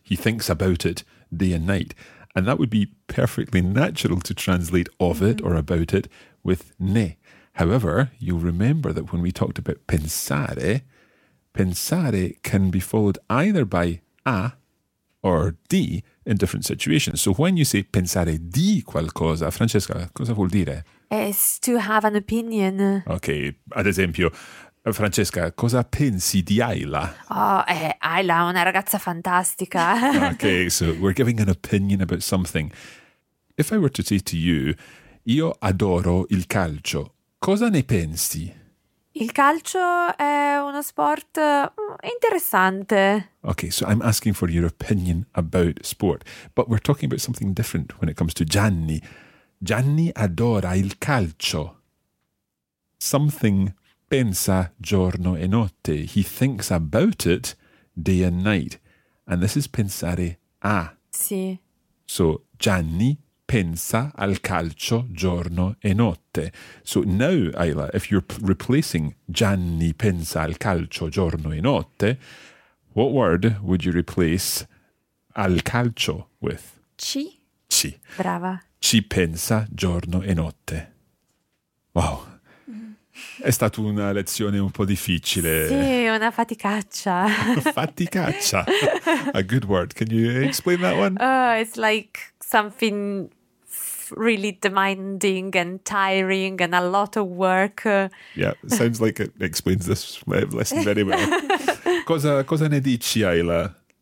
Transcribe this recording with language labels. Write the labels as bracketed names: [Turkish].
[English] He thinks about it day and night. And that would be perfectly natural to translate of mm-hmm. it or about it with nay. However, you'll remember that when we talked about pensare, pensare can be followed either by a or di in different situations. So when you say [Italian] pensare di qualcosa, Francesca, cosa vuol dire? [English] It's to have an opinion. [Italian] Okay, ad esempio, Francesca, cosa pensi di Ayla? Oh, Ayla è una ragazza fantastica. [English] Okay, so we're giving an opinion about something. If I were to say to you, [Italian] io adoro il calcio, cosa ne pensi? Il calcio è uno sport interessante. [English] Okay, so I'm asking for your opinion about sport. But we're talking about something different when it comes to Gianni. [Italian] Gianni adora il calcio. Something pensa giorno e notte. [English] He thinks about it day and night. And this is pensare a. [Italian] Sì. So Gianni pensa al calcio giorno e notte. [English] So now, Ayla, if you're replacing [Italian] Gianni pensa al calcio giorno e notte, [English] what word would you replace al calcio with? [Italian] Ci. Ci. Brava. Ci pensa giorno e notte. Wow. È stata una lezione un po' difficile. Sì, una faticaccia. [English] Faticaccia. A good word. Can you explain that one? It's like something... really demanding and tiring and a lot of work. Yeah, sounds like it explains this lesson very well. [Italian] Cosa ne dici, Ayla?